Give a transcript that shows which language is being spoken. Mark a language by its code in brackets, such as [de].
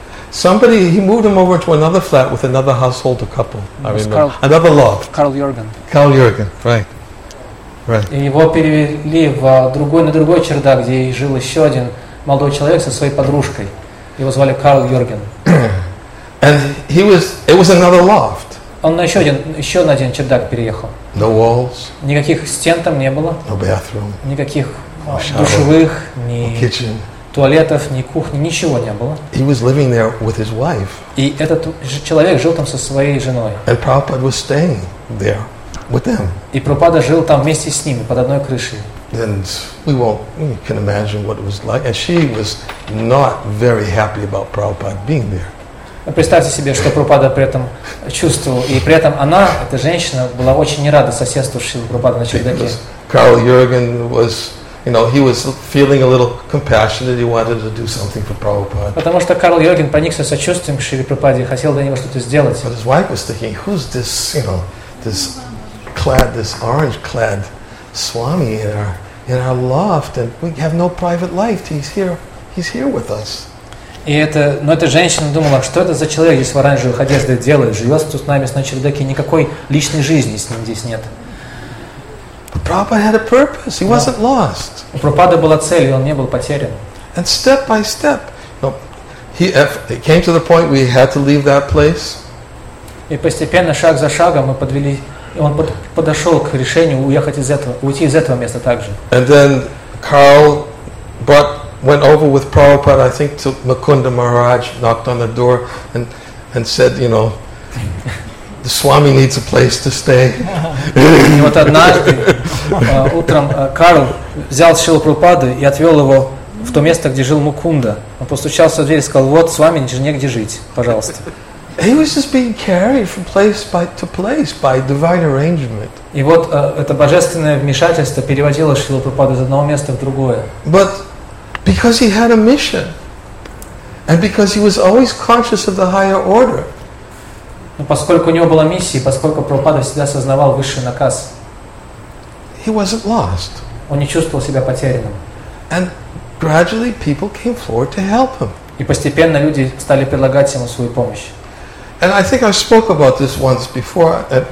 [en] Somebody, he moved him over to another flat with another householder couple. I remember. Another loft. Carl Jürgen, right. Right. [ru] И его перевели на другой чердак, где жил еще один молодой человек со своей подружкой. Его звали Carl Jürgen. [en] And he was, it was another loft. [ru] Он на еще на один чердак переехал. [en] No walls. [ru] Никаких стен там не было. [en] No bathroom. [ru] Никаких душевых, ни... [en] No kitchen. [ru] Туалетов, ни кухни, ничего не было. [en] He was living there with his wife. [ru] И этот человек жил там со своей женой. [en] And Prabhupada was staying there with them. [ru] И Прабхупада жил там вместе с ними под одной крышей. [en] And we can imagine what it was like. And she was not very happy about Prabhupada being there. [ru] Представьте себе, что Прабхупада при этом чувствовал, и при этом она, эта женщина, была очень не рада соседству Шрилы Прабхупады на чердаке. [en] Carl Jürgen was, you know, he was feeling a little compassionate. He wanted to do something for Prabhupada. [ru] Потому что Карл Йоген проникся сочувствием к Шриле Прабхупаде и хотел для него что-то сделать. [en] But his wife was thinking, who's this, you know, this orange-clad Swami in our loft, and we have no private life. He's here with us. [ru] И это, но эта женщина думала, что это за человек, здесь в оранжевых одеждах делает, живет тут с нами на чердаке, никакой личной жизни с ним здесь нет. [en] Prabhupada had a purpose. He wasn't lost. [ru] У Прабхупады была цель, он не был потерян. [en] And step by step, you know, he came to the point where he had to leave that place. [ru] И постепенно, шаг за шагом, мы подвели, он подошел к решению уехать из этого, уйти из этого места также. [en] And then Carl went over with Prabhupada, I think, to Mukunda Maharaj, knocked on the door, and said, you know, the Swami needs a place to stay. [ru] И вот однажды утром Карл взял Шрилу Прабхупаду и отвел его в то место, где жил Мукунда. Он постучался в дверь и сказал: вот, Свами, негде жить, пожалуйста. [en] He was just being carried from place to place by divine arrangement. [ru] И вот это божественное вмешательство переводило Шрилу Прабхупаду из одного места в другое. [en] But because he had a mission, and because he was always conscious of the higher order. [ru] Но поскольку у него была миссия, поскольку Прабхупада всегда сознавал высший наказ, [en] he wasn't lost. [ru] Он не чувствовал себя потерянным. [en] And gradually people came forward to help him. [ru] И постепенно люди стали предлагать ему свою помощь. [en] And I think I spoke about this once before.